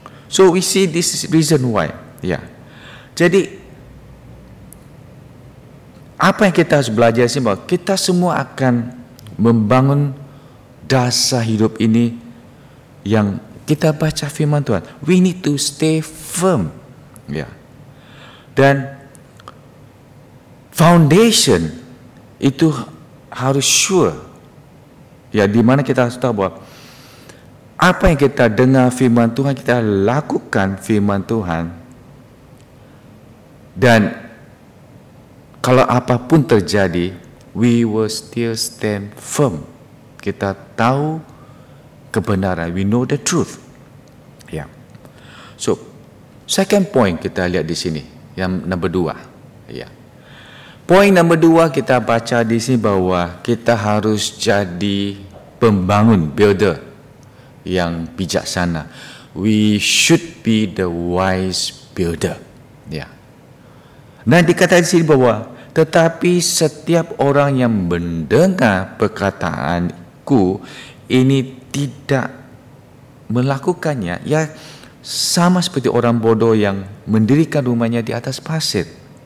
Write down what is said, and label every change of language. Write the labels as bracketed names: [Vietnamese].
[English] So we see this is reason why. Yeah. [Indonesian] Jadi apa yang kita harus belajar sih, bahwa kita semua akan membangun dasar hidup ini yang kita baca firman Tuhan. [English] We need to stay firm. Yeah. [Indonesian] Dan foundation itu harus sure, ya, di mana kita harus tahu bahwa apa yang kita dengar firman Tuhan, kita lakukan firman Tuhan, dan kalau apapun terjadi, [English] we will still stand firm. [Indonesian] Kita tahu kebenaran, [English] we know the truth. [Indonesian] Ya. [English] So second point [Indonesian] kita lihat di sini yang number 2, ya, Poin nomor dua kita baca di sini bahwa kita harus jadi pembangun, builder yang bijaksana. [English] We should be the wise builder. [Indonesian] Ya. Nah, dikatakan di sini bahwa tetapi setiap orang yang mendengar perkataanku ini tidak melakukannya, ya sama seperti orang bodoh yang mendirikan rumahnya di atas pasir.